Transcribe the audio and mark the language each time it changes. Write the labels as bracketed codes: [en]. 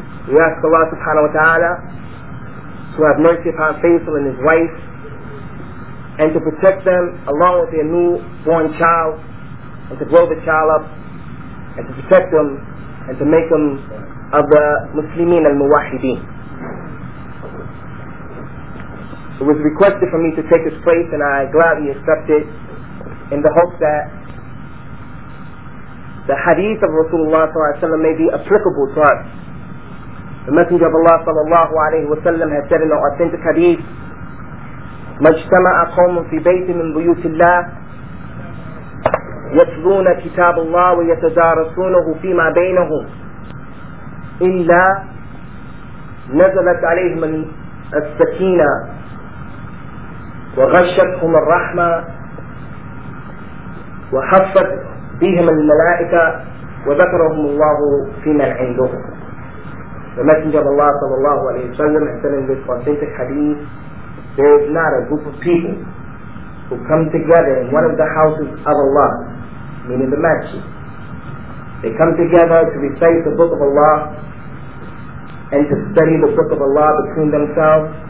[en] We ask Allah subhanahu wa ta'ala to have mercy upon Faisal and his wife, and to protect them along with their newborn child, and to grow the child up, and to protect them, and to make them of the Muslimin al-Muwahideen. It was requested for me to take this place, and I gladly accepted, in the hope that the hadith of Rasulullah sallallahu alayhi wa sallam may be applicable to us. The Messenger of Allah sallallahu alayhi wa sallam has said in an authentic hadith, [ar] مَجْتَمَعَ قَوْمٌ فِي بَيْتٍ مِنْ بُيُوتِ اللَّهِ يَتْلُونَ كِتَابَ اللَّهِ وَيَتَدَارَسُونَهُ فِي مَا بَيْنَهُمْ إِلَّا نَزَلَتْ عَلَيْهِمَ السَّكِينَةِ وَغَشَّتْهُمَ الرَّحْمَةِ وَحَفَّتْ بِهِمَ الْمَلَائِكَ وَذَكَرَهُمُ اللَّهُ فِي مَنْ عِنْدُهُمْ. [en] The Messenger of Allah sallallahu alayhi wa sallam has said in this authentic hadith, there is not a group of people who come together in one of the houses of Allah, meaning the masjid. They come together to recite the book of Allah and to study the book of Allah between themselves.